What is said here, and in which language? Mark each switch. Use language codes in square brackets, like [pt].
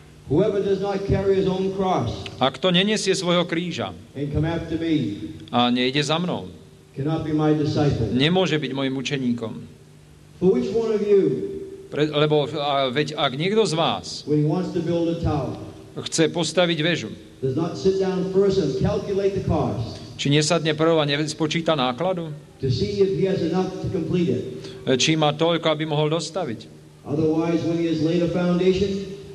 [en] Whoever does not carry his own cross. [sk] A kto nenesie svojho kríža? [en] And come after me. [sk] A nejde za mnou. [en] Cannot be my disciple. [sk] Nemôže byť môjim učeníkom. [en] For which one of you? [sk] Lebo veď ak niekto z vás [en] when he wants to build a tower, [sk] chce postaviť vežu. [en] Does not sit down first and calculate the cost. [sk] Či nesadne prv a nespočíta nákladu? [en] To see if he has enough to complete it. [sk] Či má toľko, aby mohol dostaviť? [en] Otherwise when he has laid a foundation,